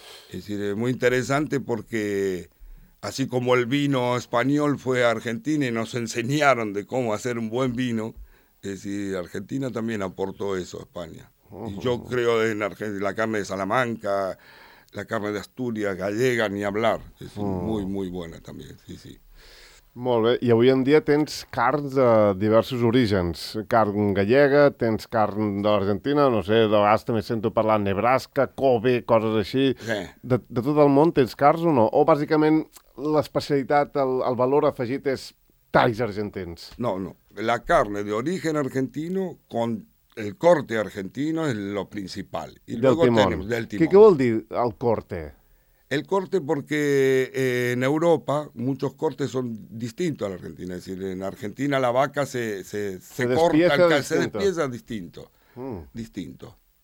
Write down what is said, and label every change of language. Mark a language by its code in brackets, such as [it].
[es] Es decir, es muy interesante porque así como el vino español fue a Argentina y nos enseñaron de cómo hacer un buen vino, es decir, Argentina también aportó eso a España. Y yo creo en Argentina, la carne de Salamanca, la carne de Asturias, gallega, ni hablar. Es muy, muy buena también, sí, sí. [ca] Molt bé. I avui en dia tens carns de diversos orígens. Carn gallega, tens carn de l'Argentina, no sé, de vegades també sento parlar Nebraska, Kobe, coses així. De tot el món tens carns o no? O bàsicament l'especialitat, el valor afegit és talls argentins? [es] No, no. La carne de origen argentino con el corte argentino es lo principal. Y del luego timón. Tenemos del timón. ¿Qué [ca] vol dir [es] el corte? El corte porque en Europa muchos cortes son distintos a la Argentina. Es decir, en Argentina la vaca se corta, se despieza distinto. Distinto.